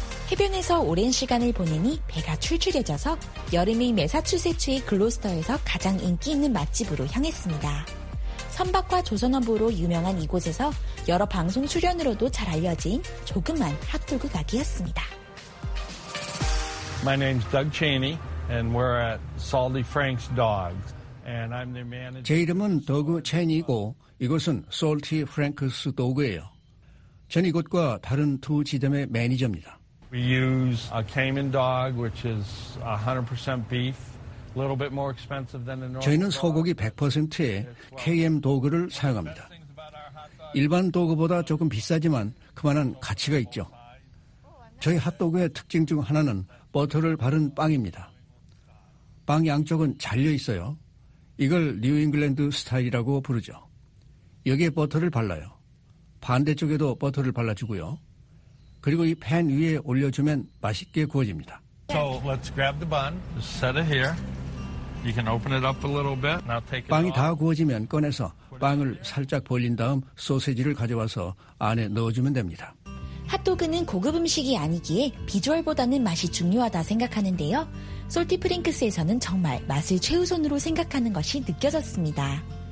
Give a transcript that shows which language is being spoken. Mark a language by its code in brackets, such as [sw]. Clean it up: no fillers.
[ko] 해변에서 오랜 시간을 보내니 배가 출출해져서 여름이 매사추세츠의 글로스터에서 가장 인기 있는 맛집으로 향했습니다. 선박과 조선어보로 유명한 이곳에서 여러 방송 출연으로도 잘 알려진 조그만 핫도그 가게였습니다. [en] My name's Doug Cheney and we're at Salty Frank's Dogs and I'm their manager. [ko] 제 이름은 더그 체니고 이곳은 Salty Frank's Dog예요. 전 이곳과 다른 두 지점의 매니저입니다. [en] We use a Cayman dog, which is 100% beef, a little bit more expensive than a normal. [ko] 저희는 소고기 100%의 KM 도그를 사용합니다. 일반 도그보다 조금 비싸지만 그만한 가치가 있죠. 저희 핫도그의 특징 중 하나는 버터를 바른 빵입니다. 빵 양쪽은 잘려 있어요. 이걸 뉴잉글랜드 스타일이라고 부르죠. 여기에 버터를 발라요. 반대쪽에도 버터를 발라주고요. 그리고 이 팬 위에 올려주면 맛있게 구워집니다. [en] So let's grab the bun, set it here. You can open it up a little bit. Now take it. [ko] 빵이 다 구워지면 꺼내서 빵을 살짝 벌린 다음 소시지를 가져와서 안에 넣어주면 됩니다. 핫도그는 고급 음식이 아니기에 비주얼보다는 맛이 중요하다 생각하는데요. 솔티 프랭크스에서는 정말 맛을 최우선으로 생각하는 것이 느껴졌습니다.